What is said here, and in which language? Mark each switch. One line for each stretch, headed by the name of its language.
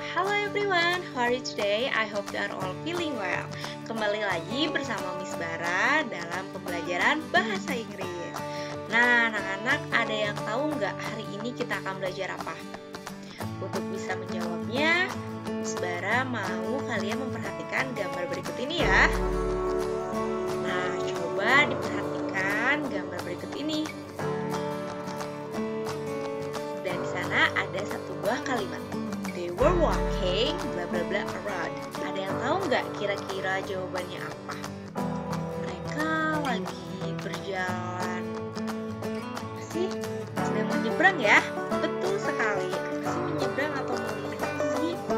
English: Hello everyone, how are you today? I hope you are all feeling well.
Indonesian: Kembali lagi bersama Miss Bara dalam pembelajaran Bahasa Inggris. Nah, anak-anak, ada yang tahu nggak hari ini kita akan belajar apa? Untuk bisa menjawabnya, Miss Bara mau kalian memperhatikan gambar berikut ini ya. Nah, coba diperhatikan gambar berikut ini. Ada satu buah kalimat.
English: They were walking bla bla bla around.
Indonesian: Ada yang tahu enggak kira-kira jawabannya apa? Mereka lagi berjalan. Apa sih? Sedang menyeberang ya? Betul sekali. Apa sih menyeberang atau melintasi?